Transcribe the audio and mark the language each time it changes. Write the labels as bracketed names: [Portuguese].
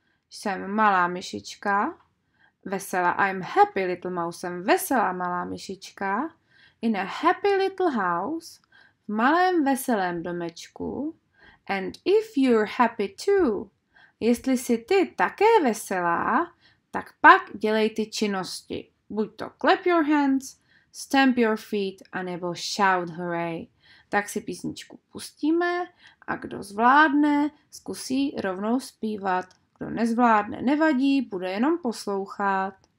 [Czech] Jsem malá myšička. Veselá. [English] I am happy little mouse. [Czech] Jsem veselá malá myšička. [English] In a happy little house, [Czech] v malém veselém domečku. [English] And if you're happy too, [Czech] jestli jsi ty také veselá, tak pak dělej ty činnosti. Buď to [English] clap your hands, stamp your feet, anebo shout hooray. [Czech] Tak si písničku pustíme a kdo zvládne, zkusí rovnou zpívat. Kdo nezvládne, nevadí, bude jenom poslouchat.